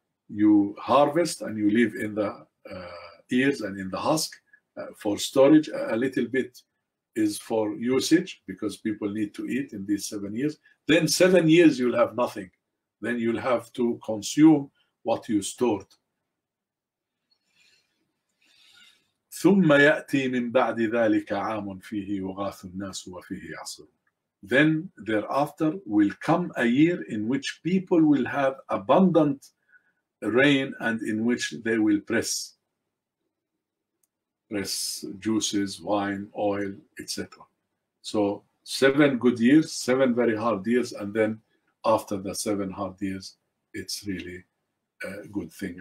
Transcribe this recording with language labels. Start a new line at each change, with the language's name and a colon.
English: You harvest and you live in the ears and in the husk for storage. A little bit is for usage, because people need to eat in these 7 years. Then 7 years you'll have nothing. Then you'll have to consume what you stored.
Arabic: ثم يأتي من بعد ذلك عام فيه يغاث الناس وفيه يعصرون.
English: Then thereafter will come a year in which people will have abundant rain and in which they will press juices, wine, oil, etc. So 7 good years, 7 very hard years, and then after the 7 hard years, it's really a good thing.